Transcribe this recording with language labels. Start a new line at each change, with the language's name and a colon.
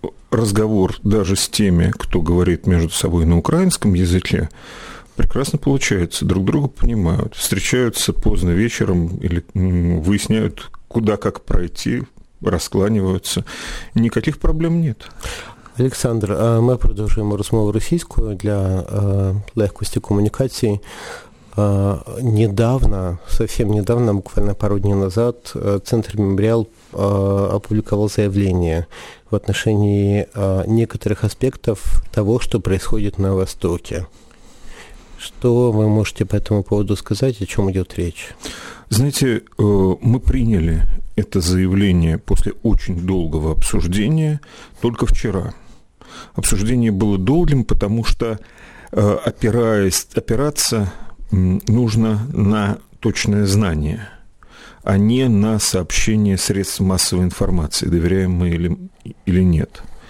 Russian: Разговор даже с теми, кто говорит между собой на украинском языке, прекрасно получается. Друг друга понимают. Встречаются поздно вечером или выясняют, куда как пройти, раскланиваются. Никаких проблем нет.
Ukrainian: Олександр, ми продовжуємо розмову російською для легкості комунікації. Недавно, буквально пару днів назад, центр «Меморіал» опублікував заявлення
Russian: в отношении некоторых аспектов того, что происходит на Востоке. Что вы можете по этому поводу сказать, о чем идет речь? Знаете, мы приняли это заявление после очень долгого обсуждения только вчера. Обсуждение было долгим, потому что опираться нужно на точное знание, а не на сообщение средств массовой информации, доверяем мы или нет.